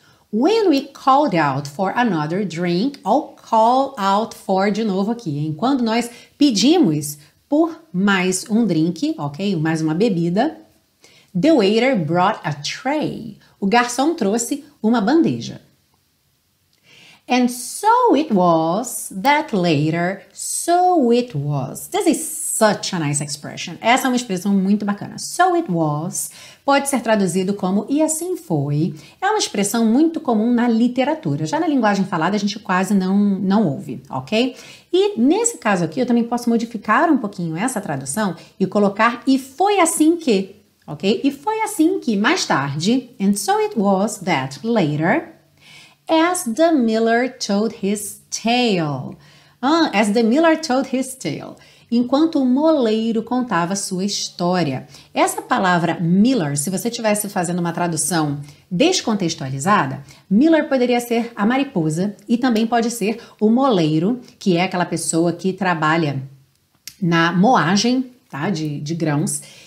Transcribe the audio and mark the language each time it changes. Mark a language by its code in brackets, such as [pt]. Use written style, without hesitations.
[en] When we called out for another drink, I'll call out for [pt] de novo aqui, hein? Quando nós pedimos por mais um drink, ok? Mais uma bebida. [en] The waiter brought a tray. [pt] O garçom trouxe uma bandeja. [en] And so it was that later, so it was. This is such a nice expression. [pt] Essa é uma expressão muito bacana. [en] So it was [pt] pode ser traduzido como e assim foi. É uma expressão muito comum na literatura. Já na linguagem falada a gente quase não ouve, ok? E nesse caso aqui eu também posso modificar um pouquinho essa tradução e colocar e foi assim que, ok? E foi assim que mais tarde, [en] and so it was that later, as the miller told his tale. As the miller told his tale. [pt] Enquanto o moleiro contava sua história. Essa palavra miller, se você estivesse fazendo uma tradução descontextualizada, miller poderia ser a mariposa e também pode ser o moleiro, que é aquela pessoa que trabalha na moagem, tá, de grãos.